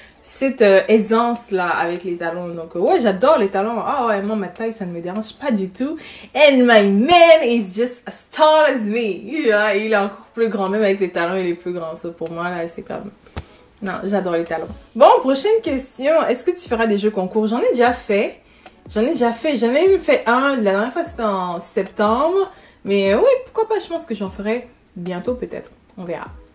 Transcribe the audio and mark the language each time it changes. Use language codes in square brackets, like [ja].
[fr] Cette aisance là avec les talons, donc ouais, j'adore les talons. Ah oh, ouais, moi ma taille ça ne me dérange pas du tout. [en] And my man is just as tall as me. [fr] Yeah, il est encore plus grand, même avec les talons il est plus grand. Ça pour moi là c'est comme, non, j'adore les talons. Bon, prochaine question, est-ce que tu feras des jeux concours? J'en ai déjà fait un, la dernière fois c'était en septembre, mais oui, pourquoi pas, je pense que j'en ferai bientôt peut-être, on verra.